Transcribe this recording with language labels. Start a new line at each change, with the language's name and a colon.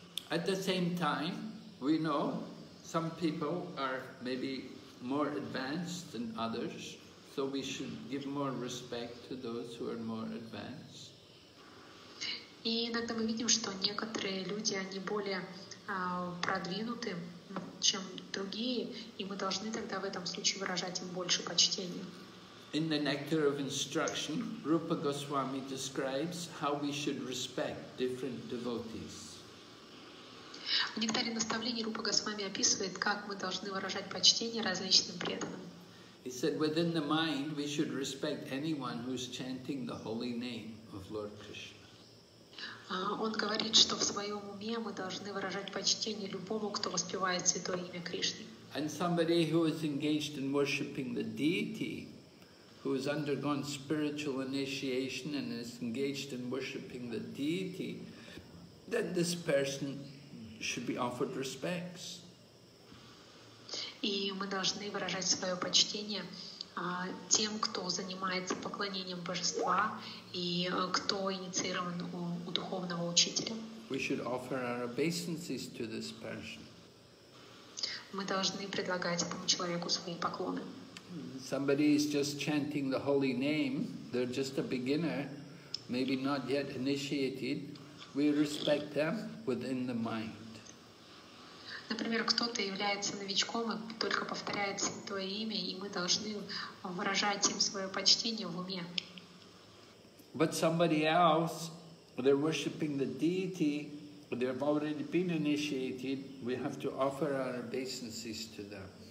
English: At the same time, we know some people are maybe more advanced than others, so we should give more respect to those who are more advanced.
Russian: И иногда мы видим, что некоторые люди, они более продвинуты, чем другие, и мы должны тогда в этом случае выражать им больше почтения.
English: In the Nectar of Instruction, Rupa Goswami describes how we should respect different devotees.
Russian: В Нектаре наставлений Рупа Госвами описывает, как мы должны выражать почтение различным преданным.
English: He said, within the mind, we should respect anyone who's chanting the holy name of Lord Krishna.
Russian: Он говорит, что в своем уме мы должны выражать почтение любому, кто воспевает святое имя Кришны.
English: And somebody who is engaged in worshipping the deity, who has undergone spiritual initiation and is engaged in worshipping the deity, then this person should be offered respects.
Russian: И мы должны выражать свое почтение тем, кто занимается поклонением божества и кто инициирован у духовного учителя.
English: We should offer our obeisances to this person.
Russian: Мы должны предлагать этому человеку свои поклоны.
English: Somebody is just chanting the holy name, they're just a beginner, maybe not yet initiated, We respect them within the mind.
Russian: Например, кто-то является новичком и только повторяет Святое Имя, и мы должны выражать им свое почтение в уме.
English: But somebody else, they're worshiping the deity, they've already been initiated, we have to offer our obeisances to them.